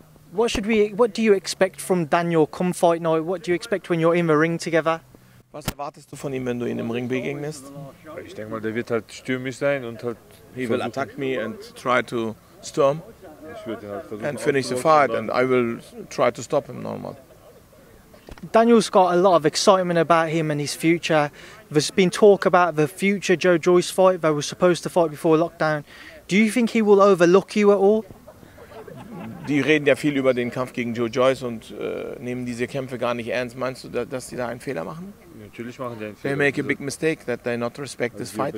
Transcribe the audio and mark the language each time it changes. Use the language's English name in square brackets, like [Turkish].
[English] What do you expect from Daniel come fight night? What do you expect when you're in the ring together? [German] Was erwartest du von ihm, wenn du ihn im Ring begegnest? Ich denke mal, der wird halt stürmisch sein und halt. [English] He will attack me and try to storm. [German] Ich würde halt versuchen, [English] and finish the fight, and I will try to stop him normal. Daniel's got a lot of excitement about him and his future. There's been talk about the future Joe Joyce fight that was supposed to fight before lockdown. Do you think he will overlook you at all? [German] Die reden ja viel über den Kampf gegen Joe Joyce und nehmen diese Kämpfe gar nicht ernst. Meinst du, dass die da einen Fehler machen? Natürlich machen die einen Fehler. [English] They make a big mistake that they not respect this fight.